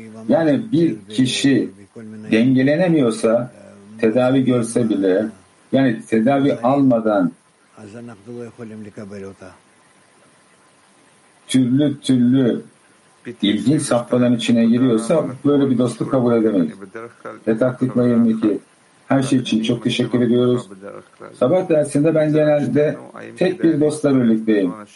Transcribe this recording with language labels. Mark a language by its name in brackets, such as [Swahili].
[Turkish] Yani bir kişi dengelenemiyorsa tedavi görse bile yani tedavi almadan [Hebrew] אז אנחנו לא יכולים לקבל אותה. [Turkish] Türlü türlü ilginç safhaların içine giriyorsa böyle bir dostluk kabul edemeyiz. Ve taktikle 22. Her şey için çok teşekkür ediyoruz. Sabah dersinde ben genelde tek bir dostla birlikteyim.